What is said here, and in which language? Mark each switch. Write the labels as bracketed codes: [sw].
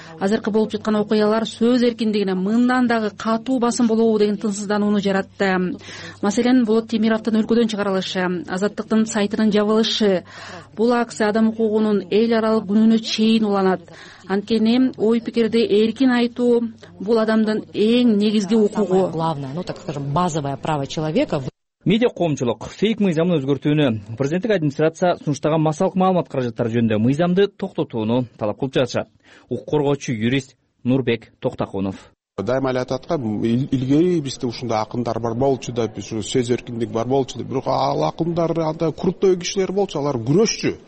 [ky] Азыркы болуп жаткан окуялар сөз эркиндигине мындан дагы катуу басым болобу деген тынсыздануну жаратты. Маселен, Болот Темировтун өлкөдөн чыгарылышы, Азаттыктын сайтынын жабылышы, бул акция адам укугунун эл аралык күнүнө чейин уланат. Анткени ой пикирди эркин айтуу бул адамдын эң негизги укугу. [ru] Главное, ну так скажем, базовое право человека. [ky] Медиа коомчулук фейк мыйзамын өзгөртүүнү президенттик администрация сунуштаган массалык маалымат каражаттары жөнүндө мыйзамды токтотууну талап кылып жатышат. Укук коргоочу юрист Нурбек Токтокунов. Дайыма эле айтып аткам, илгери бизде ушундай акындар бар болчу да, биз сөз эркиндик бар болчу деп, бирок ал акындар андай куруттоо кишилер болчу, алар күрөшчү.